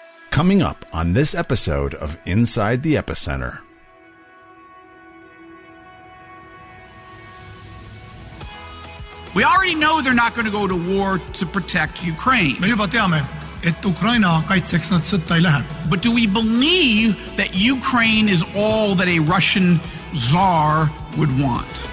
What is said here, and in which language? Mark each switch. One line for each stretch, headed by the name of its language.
English: coming up on this episode of Inside the Epicenter. We already know they're not going to go to war to protect Ukraine.
Estonian: Ma juba teame, et Ukraina kaitseks nad sõtta ei lähe.
English: But do we believe that Ukraine is all that a Russian czar would want?